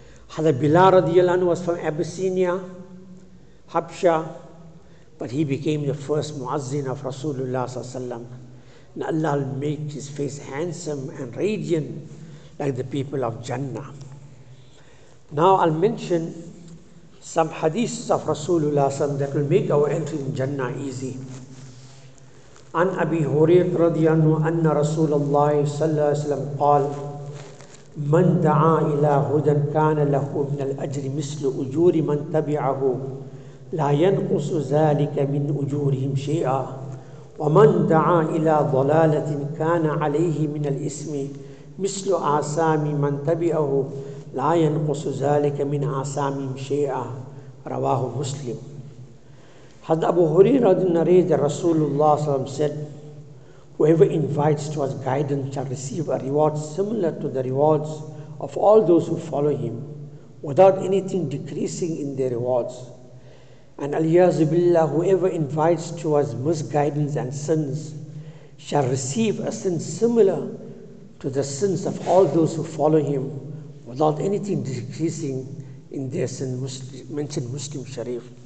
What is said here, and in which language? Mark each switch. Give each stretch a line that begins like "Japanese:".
English: Hadhrat Bilal radiallahu anhu was from Abyssinia, Habsha, but he became the first muazzin of Rasulullah sallallahu alaihi wasallam. Now Allah will make his face handsome and radiant like the people of Jannah. Now I'll mention some hadiths of Rasulullah sallallahu alaihi wasallam that will make our entry in Jannah easy.
Arabic: An Abi Hurairah radiallahu anhu anna Rasulullah sallallahu alaihi wasallam qal, من دعا إلى هدى كان له من الأجر مثل أجور من تبعه لا ينقص ذلك من أجورهم شيئا ومن دعا إلى ضلالة كان عليه من الإثم مثل آثام من تبعه لا ينقص ذلك من أعصامهم شيئا، رواه مسلم. حد أبو هريرة نريد رسول الله صلى الله عليه وسلم
English: Whoever invites towards guidance shall receive a reward similar to the rewards of all those who follow him, without anything decreasing in their rewards. And al-iyadhu billah, whoever invites towards misguidance and sins shall receive a sin similar to the sins of all those who follow him, without anything decreasing in their sin, mentioned Muslim Sharif.